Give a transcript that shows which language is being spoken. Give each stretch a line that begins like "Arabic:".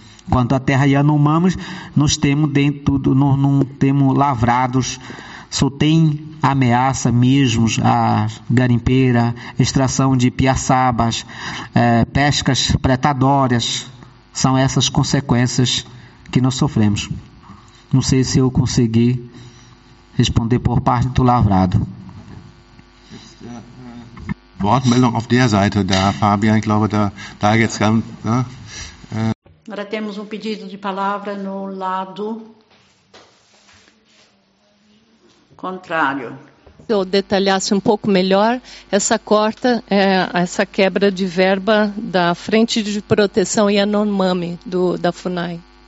Portuguese: Quanto à terra Yanomami, nós temos dentro, nós não temos lavrados, só tem ameaça mesmo a garimpeira, extração de piaçabas, pescas predatórias. São essas consequências que nós sofremos. Não sei se eu consegui responder por parte do lavrado.
German: Wortmeldung auf der Seite, da Fabian, ich glaube, da jetzt ganz.
Portuguese: Agora temos pedido de palavra no lado contrário. Se eu detalhasse pouco melhor, essa corta, essa quebra de verba da Frente de Proteção Yanomami, da FUNAI.